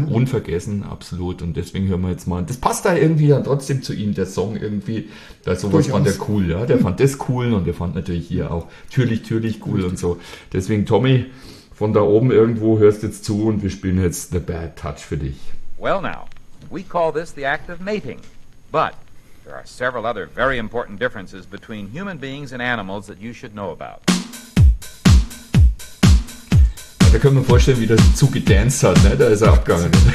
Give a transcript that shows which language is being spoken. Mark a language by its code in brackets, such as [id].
[de] mal drüber. Unvergessen, absolut. Und deswegen hören wir jetzt mal, das passt da irgendwie dann trotzdem zu ihm, der Song irgendwie, da sowas fand er cool, ja, der fand das cool und der fand natürlich hier auch türlich cool. Richtig. Und so. Deswegen, Tommy, von da oben irgendwo hörst jetzt zu und wir spielen jetzt The Bad Touch für dich. [en] Well now, we call this the act of mating. But there are several other very important differences between human beings and animals that you should know about. [de] Ja, da können wir vorstellen, wie der Zug gedanced hat, ne? Da ist er abgegangen.